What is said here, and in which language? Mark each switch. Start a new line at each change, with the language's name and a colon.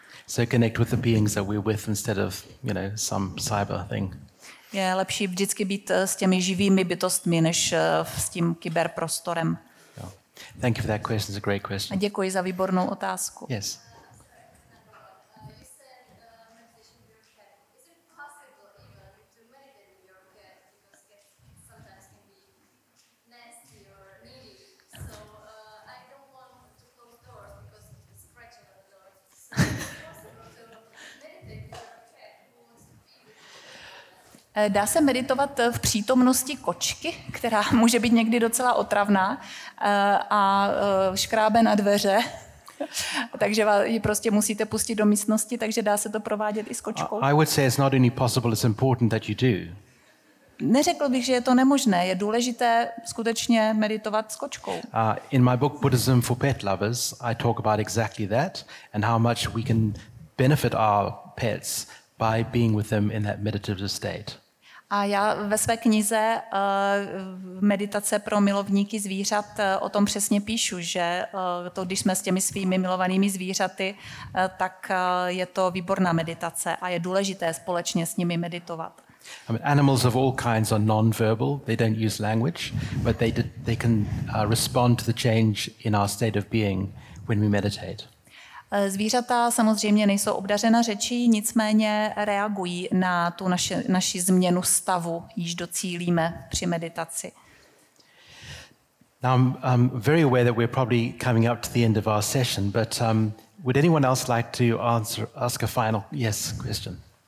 English: So connect with the beings that we're with instead of, you know, some cyber thing.
Czech: Je lepší vždycky být s těmi živými bytostmi než s tím kyberprostorem.
English: Thank you for that question. It's a great question.
Czech: A děkuji za výbornou otázku.
English: Yes.
Czech: Dá se meditovat v přítomnosti kočky, která může být někdy docela otravná a škrábe na dveře, takže ji prostě musíte pustit do místnosti, takže dá se to provádět i s kočkou.
English: I would say it's not only possible, it's important that you do.
Czech: Neřekl bych, že je to nemožné, je důležité skutečně meditovat s kočkou.
English: In my book Buddhism for Pet Lovers, I talk about exactly that and how much we can benefit our pets by being with them in that meditative state.
Czech: A já ve své knize meditace pro milovníky zvířat o tom přesně píšu, že to, když jsme s těmi svými milovanými zvířaty, tak je to výborná meditace a je důležité společně s nimi meditovat.
English: I mean, animals of all kinds are non-verbal, they don't use language, but they can respond to the change in our state of being when we meditate.
Czech: Zvířata samozřejmě nejsou obdařena řečí, nicméně reagují na tu naši změnu stavu, již docílíme při meditaci.
English: Now I'm very aware that we're probably coming up to the end of our session, but would anyone else like to ask a final yes question?